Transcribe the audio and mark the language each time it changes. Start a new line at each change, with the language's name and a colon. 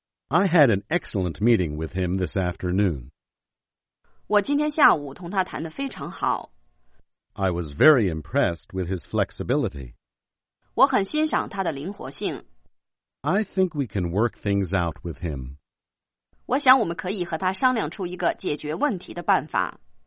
English: I had an excellent meeting with him this afternoon.
Chinese: 我今天下午同他谈得非常好。
English: I was very impressed with his flexibility.
Chinese: 我很欣赏他的灵活性。
English: I think we can work things out with him.
Chinese: 我想我们可以和他商量出一个解决问题的办法。